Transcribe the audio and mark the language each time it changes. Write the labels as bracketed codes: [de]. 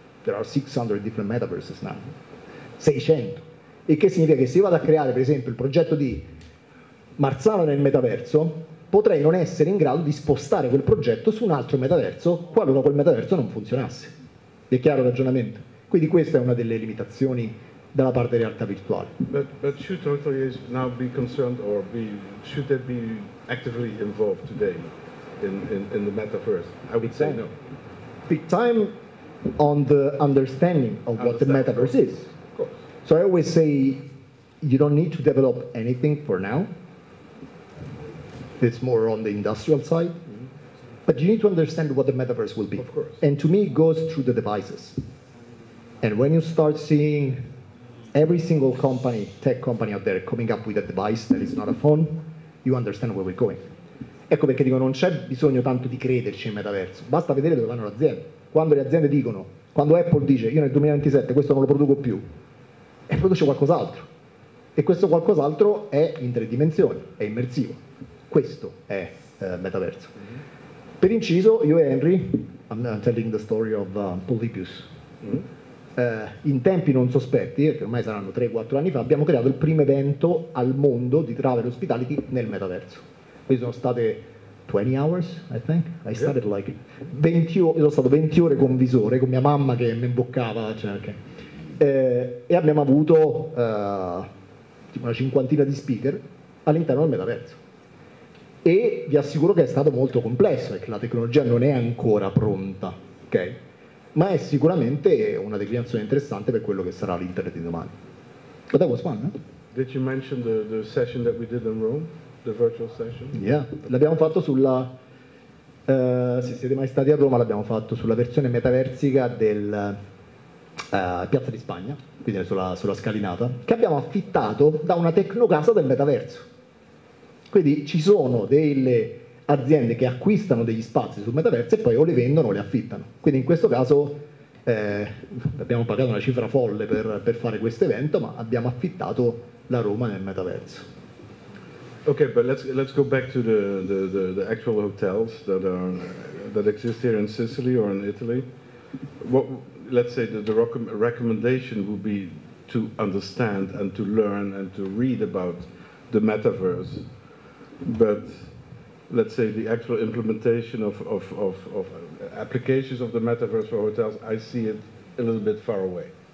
[en] There are 600 different metaverses now. 600. [it] E che significa? Che se io vado a creare, per esempio, il progetto di Marzano nel metaverso, potrei non essere in grado di spostare quel progetto su un altro metaverso qualora quel metaverso non funzionasse. È chiaro il ragionamento? Quindi questa è una delle limitazioni dalla parte di realtà virtuale. [en] But should authorities now be concerned or be should they be actively involved today in the metaverse? I would say no. Big time on the understanding of what the metaverse is. Of course. So I always say you don't need to develop anything for now. It's more on the industrial side. Mm-hmm. But you need to understand what the metaverse will be. Of course. And to me it goes through the devices. And when you start seeing every single company, tech company out there coming up with a device that is not a phone, you understand where we're going. [it] Ecco perché dico, non c'è bisogno tanto di crederci in metaverso, basta vedere dove vanno le aziende. Quando le aziende dicono, quando Apple dice, io nel 2027 questo non lo produco più, e produce qualcos'altro. E questo qualcos'altro è in tre dimensioni, è immersivo. Questo è metaverso. Mm-hmm. Per inciso, io e Henry, [en] I'm telling the story of Polybius, [it] in tempi non sospetti, che ormai saranno 3-4 anni fa, abbiamo creato il primo evento al mondo di travel hospitality nel metaverso. Quindi sono state 20 [en] hours, I think. I started like [it] 20 ore, sono stato 20 ore con visore, con mia mamma che mi imboccava, cioè, okay. E abbiamo avuto tipo una cinquantina di speaker all'interno del metaverso. E vi assicuro che è stato molto complesso, perché la tecnologia non è ancora pronta, ok? Ma è sicuramente una declinazione interessante per quello che sarà l'internet di domani. [en] But that was fun, no? Did you mention the session that we did in Rome? The virtual session? [it] Yeah, l'abbiamo fatto sulla... se siete mai stati a Roma, l'abbiamo fatto sulla versione metaversica del Piazza di Spagna, quindi sulla scalinata, che abbiamo affittato da una tecnocasa del metaverso. Quindi ci sono delle aziende che acquistano degli spazi sul metaverso e poi o le vendono o le affittano. Quindi in questo caso abbiamo pagato una cifra folle per fare questo evento, ma abbiamo affittato la Roma nel metaverso. [en] Ok, but let's go back to the actual hotels that exist here in Sicily or in Italy. Let's say that the recommendation would be to understand and to learn and to read about the metaverse, but let's say the actual implementation of applications of the metaverse for hotels, I see it a little bit far away.